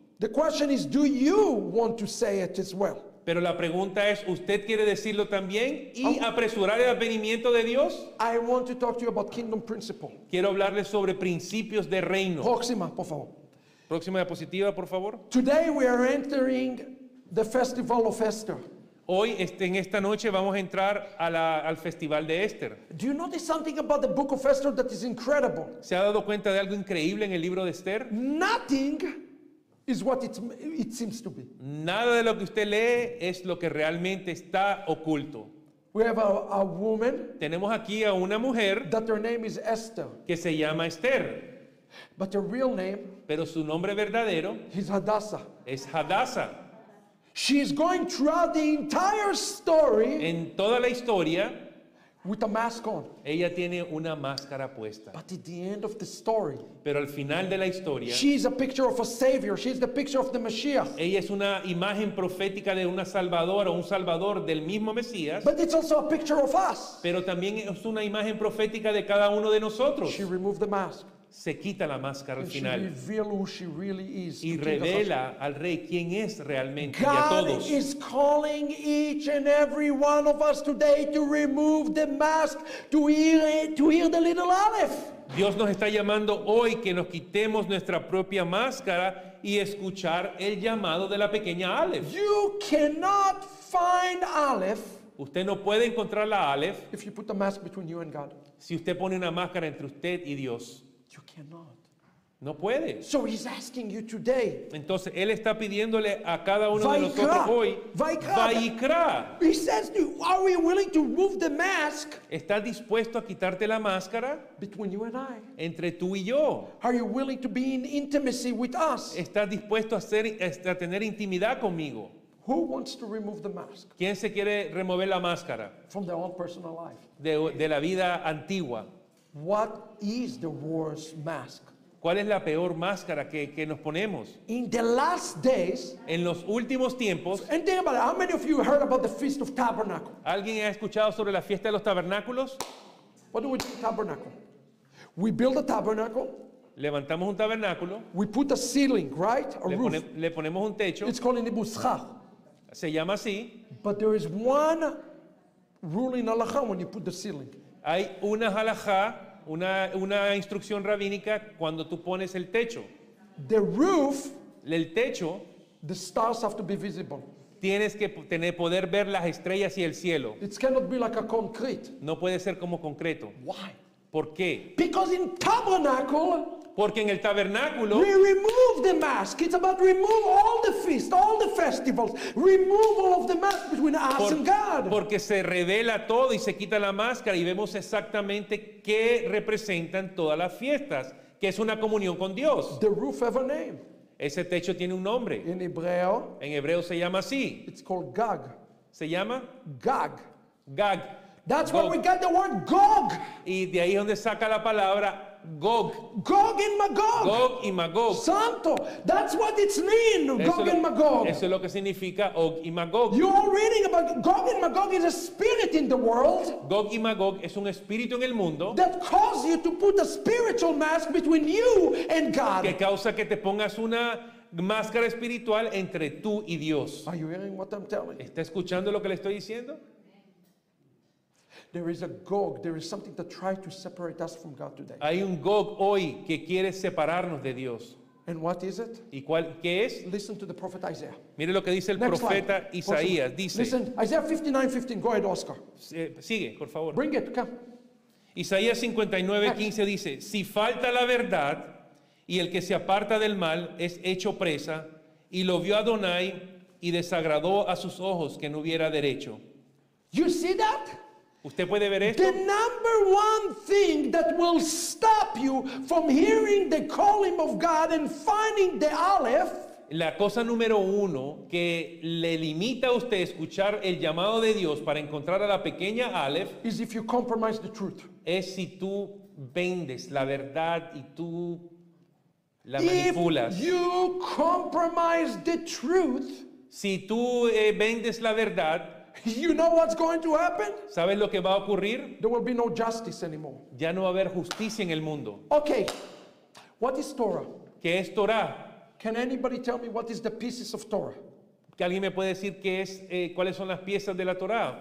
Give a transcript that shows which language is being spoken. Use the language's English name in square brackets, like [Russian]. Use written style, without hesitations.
[English] The question is, do you want to say it as well? [Spanish] Pero la pregunta es, ¿usted quiere decirlo también y apresurar el advenimiento de Dios? [English] I want to talk to you about kingdom principle. [Spanish] Quiero hablarle sobre principios de reino. Próxima, por favor. Próxima diapositiva, por favor. [English] Today we are entering the festival of Esther. [Spanish] Hoy, en esta noche, vamos a entrar al festival de Esther. [English] Do you notice something about the book of Esther that is incredible? [Spanish] ¿Se ha dado cuenta de algo increíble en el libro de Esther? [English] Nothing is what it seems to be. [Spanish] Nada de lo que usted lee es lo que realmente está oculto. [English] We have a woman. [Spanish] Tenemos aquí a una mujer. [English] That her name is Esther. [Spanish] Que se llama Esther. [English] But her real name. [Spanish] Pero su nombre verdadero. [English] Is Hadassah. [Spanish] Es Hadassah. [English] She is going throughout the entire story. [Spanish] En toda la historia. [English] With a mask on. [Spanish] Ella tiene una máscara puesta. [English] But at the end of the story, [Spanish] pero al final de la historia, [English] she is a picture of a savior. She is the picture of the Messiah. [Spanish] Ella es una imagen profética de una salvadora o un salvador del mismo Mesías. [English] But it's also a picture of us. [Spanish] Pero también es una imagen profética de cada uno de nosotros. [English] She removed the mask. [Spanish] Se quita la máscara [English] and [Spanish] al final. [English] She revealed who she really is. [Spanish] Y revela al rey quién es realmente. [English] God [Spanish] y a todos. [English] Is calling each and every one of us today to remove the mask, to hear the little Aleph. [Spanish] Dios nos está llamando hoy que nos quitemos nuestra propia máscara y escuchar el llamado de la pequeña Aleph. [English] You cannot find Aleph. [Spanish] Usted no puede encontrar la Aleph. [English] If you put the mask between you and God. [Spanish] Si usted pone una máscara entre usted y Dios. [English] You cannot. [Spanish] No puede. [English] So he's asking you today. [Spanish] Entonces él está pidiéndole a cada uno de nosotros hoy. [Hebrew] Vayikra. [English] He says, to you, are we willing to move the mask? [Spanish] ¿Estás dispuesto a quitarte la máscara? [English] Between you and I. [Spanish] Entre tú y yo. [English] Are you willing to be in intimacy with us? [Spanish] ¿Estás dispuesto a tener intimidad conmigo? [English] Who wants to remove the mask? [Spanish] ¿Quién se quiere remover la máscara? [English] From their own personal life. [Spanish] De la vida antigua. [English] What is the worst mask? [Spanish] ¿Cuál es la peor máscara que nos ponemos? [English] In the last days, [Spanish] en los últimos tiempos. [English] And think about it, how many of you heard about the Feast of Tabernacles? [Spanish] ¿Alguien ha escuchado sobre la fiesta de los tabernáculos? [English] What do we do with tabernacle? We build a tabernacle. [Spanish] Levantamos un tabernáculo. [English] We put a ceiling, right? A roof. [Spanish] Le ponemos un techo. [English] It's called a nebuzah. [Spanish] Se llama así. [English] But there is one rule in halacha when you put the ceiling. [Spanish] Hay una halajá, una instrucción rabínica cuando tú pones el techo. [English] The roof, [Spanish] el techo, [English] the stars have to be visible. [Spanish] Tienes que poder ver las estrellas y el cielo. [English] It cannot be like a concrete. [Spanish] No puede ser como concreto. [English] Why? [Spanish] ¿Por qué? [English] Because in tabernacle, [Spanish] porque en el tabernáculo, [English] we remove the mask. It's about remove all the feasts, all the festivals, removal of the mask between us and God. [Spanish] Porque se revela todo y se quita la máscara y vemos exactamente qué representan todas las fiestas, que es una comunión con Dios. [English] The roof has a name. [Spanish] Ese techo tiene un nombre. [English] In Hebrew, [Spanish] en hebreo se llama así. [English] It's called Gog. [Spanish] Se llama Gog. Gog. [English] That's where we get the word Gog. [Spanish] Y de ahí donde saca la palabra Gog. [English] Gog and Magog. [Spanish] Gog y Magog. [English] Santo. That's what it's mean. Gog and Magog. [Spanish] Eso es lo que significa Og y Magog. [English] You are reading about Gog and Magog is a spirit in the world. [Spanish] Gog y Magog es un espíritu en el mundo. [English] That causes you to put a spiritual mask between you and God. [Spanish] Que causa que te pongas una máscara espiritual entre tú y Dios. [English] Are you hearing what I'm telling? [Spanish] ¿Está escuchando lo que le estoy diciendo? [English] There is a Gog. There is something to try to separate us from God today. [Spanish] Hay un Gog hoy que quiere separarnos de Dios. [English] And what is it? [Spanish] ¿Y cuál, qué es? [English] Listen to the prophet Isaiah. [Spanish] Mire lo que dice el [English] Next [Spanish] profeta [English] slide. [Spanish] Isaías. Dice. [English] Listen, Isaiah 59:15. Go ahead, Oscar. [Spanish] Sigue, por favor. [English] Bring it. Come. [Spanish] Isaías 59:15 dice: Si falta la verdad y el que se aparta del mal es hecho presa, y lo vio Adonai y desagradó a sus ojos que no hubiera derecho. [English] You see that? [Spanish] ¿Usted puede ver esto? [English] The number one thing that will stop you from hearing the calling of God and finding the Aleph. [Spanish] La cosa número uno que le limita a usted escuchar el llamado de Dios para encontrar a la pequeña Aleph [English] is if you compromise the truth. [Spanish] Es si tú vendes la verdad y tú la manipulas. [English] If you compromise the truth, [Spanish] si tú vendes la verdad, [English] you know what's going to happen? [Spanish] ¿Sabes lo que va a ocurrir? [English] There will be no justice anymore. [Spanish] Ya no va a haber justicia en el mundo. [English] Okay. What is Torah? [Spanish] ¿Qué es Torah? [English] Can anybody tell me what is the pieces of Torah? [Spanish] ¿Que alguien me puede decir qué es cuáles son las piezas de la Torah?